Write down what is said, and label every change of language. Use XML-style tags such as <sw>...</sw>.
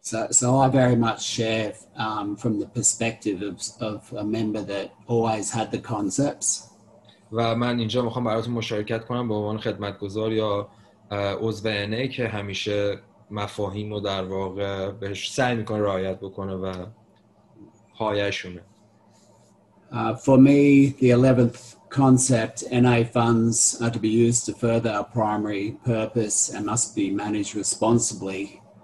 <en>So I very much share from the perspective of a member that always had the concepts.</en> <fa>و من اینجا میخوام براتون مشارکت کنم به عنوان خدمتگزار یا عضو NA که همیشه مفاهیم رو در واقع بهش سعی میکنه رعایت بکنه و پایه‌شونه.</fa> <en>For me, the 11th concept, NA funds are to be used to further our primary purpose and must be managed responsibly.</en>